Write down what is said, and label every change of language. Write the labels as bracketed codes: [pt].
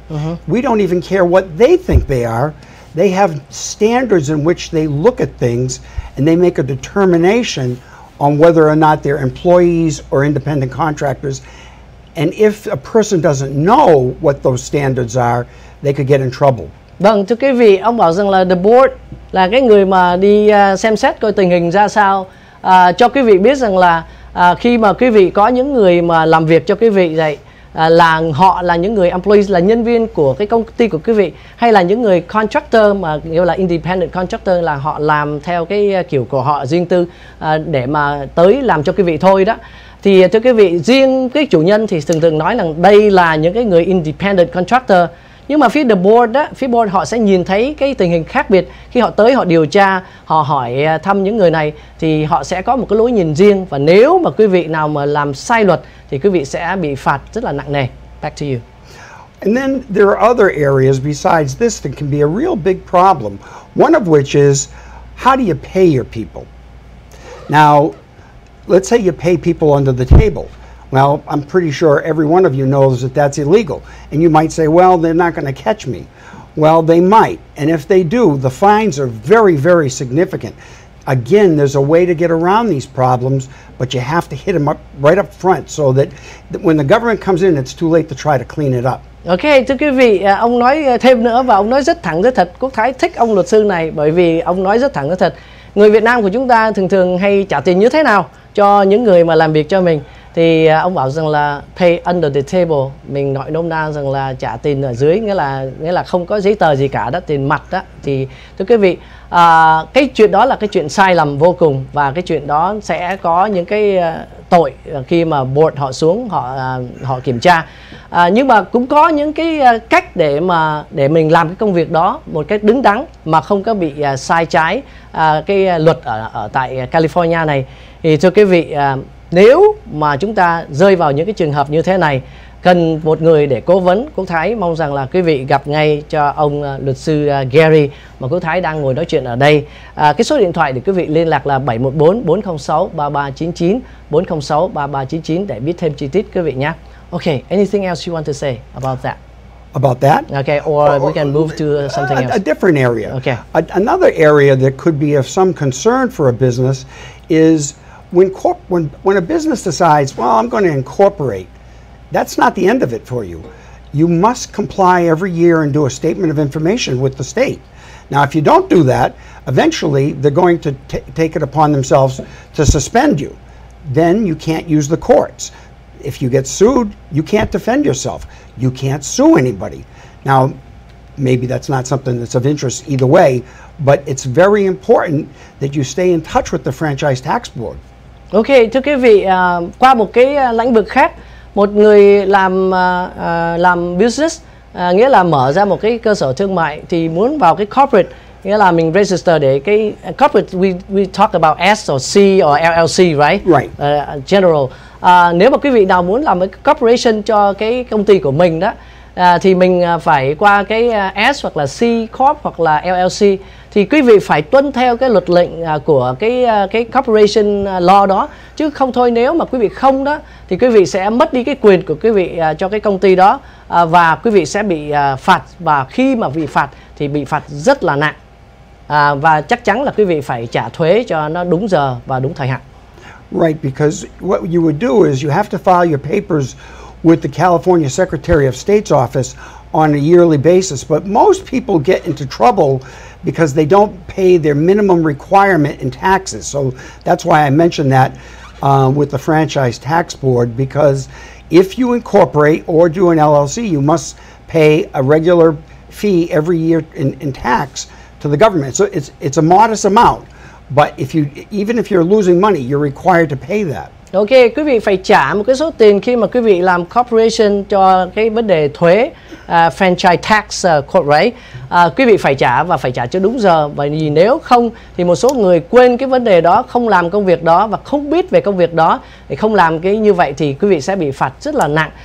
[en] Mm-hmm. We don't even care what they think they are. They have standards in which they look at things and they make a determination on whether or not they're employees or independent contractors. And if a person doesn't know what those standards are, they could get in trouble. [vi] Vâng, thưa quý vị, ông bảo rằng là the board là cái người mà đi xem xét coi tình hình ra sao, cho quý vị biết rằng là khi mà quý vị có những người mà làm việc cho quý vị vậy, là họ là những người employees, là nhân viên của cái công ty của quý vị, hay là những người contractor mà gọi là independent contractor, là họ làm theo cái kiểu của họ riêng tư để mà tới làm cho quý vị thôi đó. Thì thưa quý vị, riêng cái chủ nhân thì thường thường nói rằng đây là những cái người independent contractor. Nhưng mà phía the board đó, phía board họ sẽ nhìn thấy cái tình hình khác biệt. Khi họ tới họ điều tra, họ hỏi thăm những người này thì họ sẽ có một cái lối nhìn riêng. Và nếu mà quý vị nào mà làm sai luật thì quý vị sẽ bị phạt rất là nặng nề. [en] Back to you. And then there are other areas besides this that can be a real big problem. One of which is, how do you pay your people? Now, let's say you pay people under the table. Well, I'm pretty sure every one of you knows that that's illegal. And you might say, well, they're not going to catch me. Well, they might. And if they do, the fines are very, very significant. Again, there's a way to get around these problems, but you have to hit them up right up front so that when the government comes in, it's too late to try to clean it up. [vi] Okay, thưa quý vị, ông nói thêm nữa và ông nói rất thẳng, rất thật. Quốc Thái thích ông luật sư này bởi vì ông nói rất thẳng, rất thật. Người Việt Nam của chúng ta thường thường hay trả tiền như thế nào cho những người mà làm việc cho mình? Thì ông bảo rằng là [en] pay under the table, [vi] mình nói nôm na rằng là trả tiền ở dưới, nghĩa là không có giấy tờ gì cả đó, tiền mặt đó. Thì thưa quý vị, cái chuyện đó là cái chuyện sai lầm vô cùng, và cái chuyện đó sẽ có những cái tội khi mà board họ xuống họ kiểm tra. Nhưng mà cũng có những cái cách để mình làm cái công việc đó một cách đứng đắn mà không có bị sai trái cái luật ở tại California này. Thì thưa quý vị, nếu mà chúng ta rơi vào những cái trường hợp như thế này, cần một người để cố vấn, Quốc Thái mong rằng là quý vị gặp ngay cho ông luật sư Gary mà Quốc Thái đang ngồi nói chuyện ở đây. Cái số điện thoại để quý vị liên lạc là 714-406-3399, 406-3399 để biết thêm chi tiết quý vị nhé. [en] Okay, anything else you want to say about that? About that? Okay, or we can move to something else. A different area. Okay. Another area that could be of some concern for a business is when a business decides, well, I'm going to incorporate, that's not the end of it for you. you must comply every year and do a statement of information with the state. Now, if you don't do that, eventually they're going to take it upon themselves to suspend you. Then you can't use the courts. If you get sued, you can't defend yourself. You can't sue anybody. Now, maybe that's not something that's of interest either way, but it's very important that you stay in touch with the Franchise Tax Board. [vi] Ok, thưa quý vị, qua một cái lĩnh vực khác, một người làm business, nghĩa là mở ra một cái cơ sở thương mại thì muốn vào cái corporate, nghĩa là mình register để cái corporate, [en] we talk about S or C or LLC, right? Right. General. [vi] Nếu mà quý vị nào muốn làm cái corporation cho cái công ty của mình đó, thì mình phải qua cái S hoặc là C Corp hoặc là LLC. Thì quý vị phải tuân theo cái luật lệnh của cái corporation law đó. Chứ không thôi, nếu mà quý vị không đó, thì quý vị sẽ mất đi cái quyền của quý vị cho cái công ty đó. Và quý vị sẽ bị phạt. Và khi mà bị phạt thì bị phạt rất là nặng. Và chắc chắn là quý vị phải trả thuế cho nó đúng giờ và đúng thời hạn. [en] Right, because what you would do is you have to file your papers with the California Secretary of State's office on a yearly basis. But most people get into trouble because they don't pay their minimum requirement in taxes. So that's why I mentioned that with the Franchise Tax Board, because if you incorporate or do an LLC, you must pay a regular fee every year in tax to the government. So it's a modest amount, but even if you're losing money, you're required to pay that. [vi] Ok, quý vị phải trả một cái số tiền khi mà quý vị làm corporation cho cái vấn đề thuế, franchise tax, court, right? Quý vị phải trả và phải trả cho đúng giờ. Bởi vì nếu không thì một số người quên cái vấn đề đó, không làm công việc đó và không biết về công việc đó, thì không làm cái như vậy thì quý vị sẽ bị phạt rất là nặng.